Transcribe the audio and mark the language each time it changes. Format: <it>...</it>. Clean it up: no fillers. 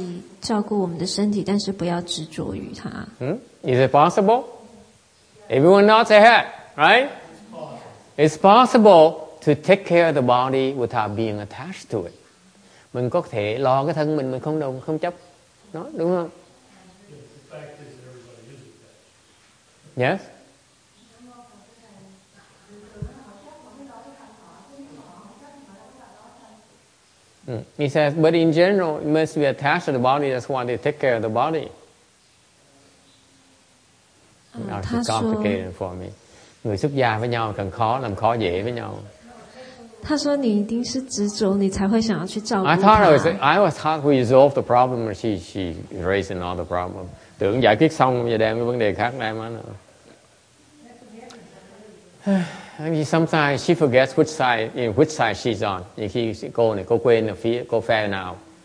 <zh>所以他说，我们可不可以照顾我们的身体，但是不要执着于它？</zh> <en>Is it possible? Everyone nods their head, right? It's possible to take care of the body without being attached to it.</en> <vi>Mình có thể lo cái thân mình không đồng, không chấp nó, đúng không?</vi> <en>Yes. He says, but in general, it must be attached to the body. That's why they take care of the body. That's complicated for me.</en> <vi>người xuất gia với nhau cần khó làm khó dễ với nhau.</vi> <zh>他说你一定是执着，你才会想要去照顾他。</zh> <en>I thought we resolved the problem, but she raised another problem.</en> <vi>Tưởng giải quyết xong giờ đem cái vấn đề khác đem á.</vi> <en>Sometimes she forgets which side she's on.</en> <vi>Nhiều khi cô này cô quên là phía cô phe nào.</vi>